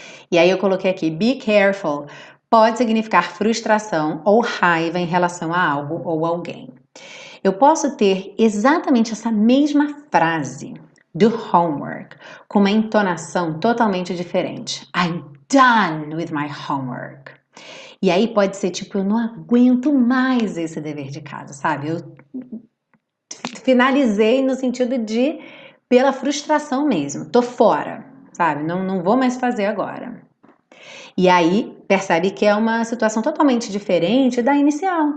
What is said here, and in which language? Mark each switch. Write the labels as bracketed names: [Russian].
[Portuguese] E aí eu coloquei aqui, [English] be careful, [Portuguese] pode significar frustração ou raiva em relação a algo ou alguém. Eu posso ter exatamente essa mesma frase do homework com uma entonação totalmente diferente. [English] I'm done with my homework. [Portuguese] E aí pode ser tipo, eu não aguento mais esse dever de casa, sabe? Eu finalizei no sentido de pela frustração mesmo, tô fora. Sabe, não vou mais fazer agora. E aí, percebe que é uma situação totalmente diferente da inicial.